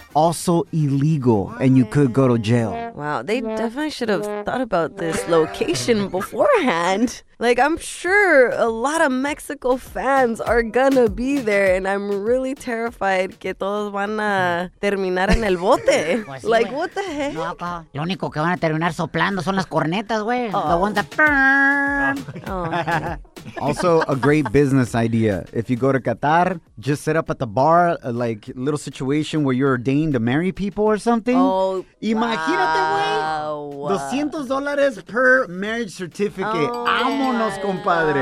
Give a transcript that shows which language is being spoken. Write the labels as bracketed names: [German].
[English] also illegal and you could go to jail. Wow, they definitely should have thought about this location beforehand. Like, I'm sure a lot of Mexico fans are gonna be there, and I'm really terrified [Spanish] que todos van a terminar en el bote. [English] Like, what the heck? [Spanish] No, papá. Lo único que van a terminar soplando son las cornetas, güey. [English] The one that... Also, a great business idea. If you go to Qatar, just set up at the bar, like, little situation where you're ordained to marry people or something. Oh, [Spanish] imagínate, wow. [English] Güey. $200 per marriage certificate. Oh, [Spanish] vámonos, compadre.